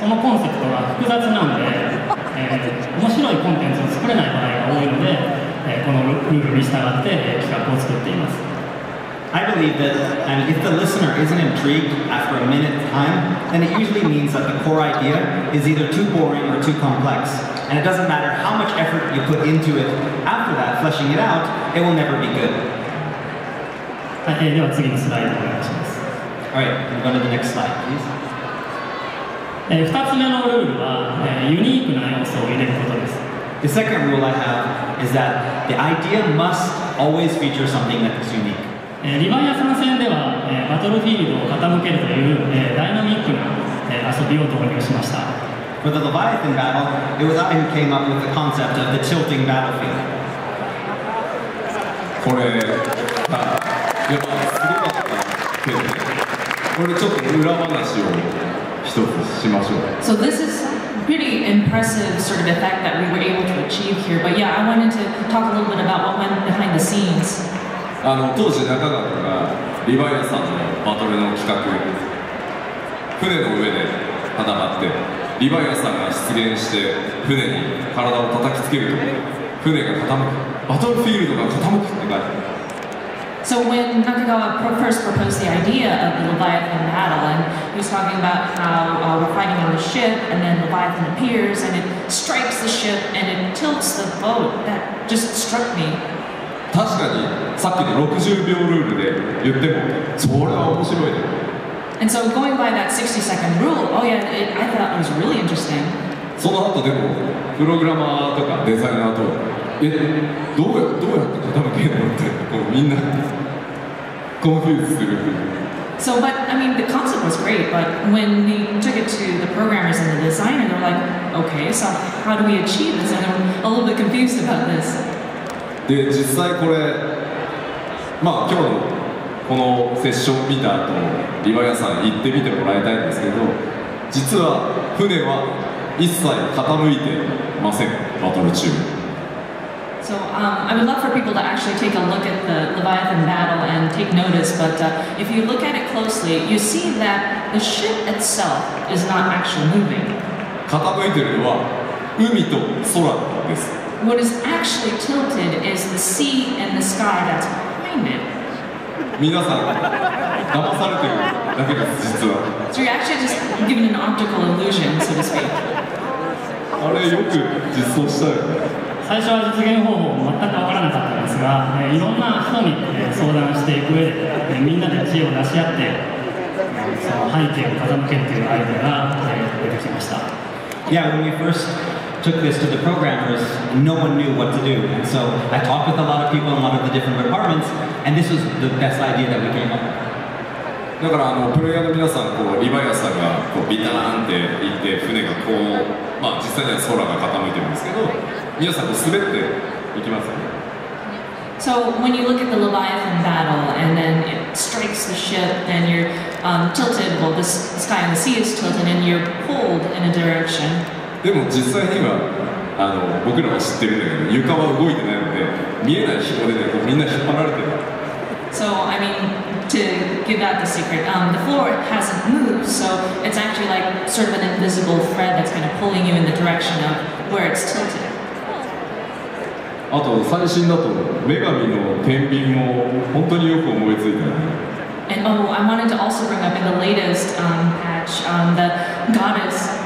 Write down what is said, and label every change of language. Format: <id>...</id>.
<ja>そのコンセプトが複雑なので、面白いコンテンツを作れない場合が多いので、このルールに従って企画を作っています。</ja> <en>I believe that, and if the listener isn't intrigued after a minute's time, then it usually means that the core idea is either too boring or too complex. And it doesn't matter how much effort you put into it, after that, fleshing it out, it will never be good.</en> <ja>Okay, では次のスライドをお願いします。</ja> <en>Alright, can we go to the next slide, please?</en> <ja>2つ目のルールは、ユニークな要素を入れることです。</ja> <en>The second rule I have is that the idea must always feature something that is unique.</en> <ja>リバイアサン戦では、バトルフィールドを傾けるという、ダイナミックな、遊びを導入しました。</ja> <en>For the Leviathan battle, it was I who came up with the concept of the tilting battlefield.</en> <ja>これ、やっぱすごかったけど、これちょっと裏話を一つしましょう。</ja> <en>So this is pretty impressive sort of effect that we were able to achieve here. But yeah, I wanted to talk a little bit about what went behind the scenes.</en> <ja>当時中川がリヴァイアさんのバトルの企画船の上で戦ってリヴァイアさんが出現して船に体を叩きつけると船が傾くバトルフィールドが傾くって書いて</ja> <en>So when Nakagawa first proposed the idea of the Leviathan battle and he was talking about how we're fighting on the ship and then Leviathan appears and it strikes the ship and it tilts the boat that just struck me</en> <ja>確かにさっきの60秒ルールで言ってもそれは面白いね。</ja> <en>And so going by that 60 second rule, oh yeah, it, I thought it was really interesting.</en> <ja>その後でもプログラマーとかデザイナーとどうやって傾けるのってこうみんなコンフューズする。</ja> <en>So but I mean the concept was great, but when we took it to the programmers and the designer, they're like, okay, so how do we achieve this? And I'm a little bit confused about this.</en> <ja>で実際これ、まあ、今日のこのセッションを見た後リヴァイアさん行ってみてもらいたいんですけど実は船は一切傾いてませんバトル中</ja> <en>So、I would love for people to actually take a look at the Leviathan battle and take notice but、if you look at it closely you see that the ship itself is not actually moving</en> <ja>傾いてるのは海と空です</ja> <en>What is actually tilted is the sea and the sky that's behind it.</en> <ja>皆さん、騙されてるだけです、実は。</ja> <en>So you're actually just given an optical illusion, so to speak.</en> <ja>あれ、よく実装したよ。最初は実現方法も全く分からなかったんですが、いろんな人に相談していく上で、みんなで知恵を出し合って、その背景を傾けるというアイデアが出てきました。</ja> <en>Yeah, when we firstTook this to the programmers, no one knew what to do. And so I talked with a lot of people in a lot of the different departments, and this was the best idea that we came up with.</en> <ja>だから、プレイヤーの皆さん、こう、リヴァイアさんが、こう、ビターンって行って、船がこう、まあ、実際には空が傾いてるんですけど、皆さん、こう、滑っていきますよね。</ja> <en>So when you look at the Leviathan battle and then it strikes the ship and you're、tilted, well, the sky and the sea is tilted and you're pulled in a direction.</en> <ja>でも実際には僕らは知ってるんだけど床は動いてないので見えない紐でねこうみんな引っ張られてる。</ja> <en>So I mean to give out the secret,、the floor hasn't moved, so it's actually like sort of an invisible thread that's kind of pulling you in the direction of where it's tilted.</en> <ja>あと最新だと女神の天秤も本当によく思いついた。</ja> <en>And oh, I wanted to also bring up in the latest patch, the goddess.</en>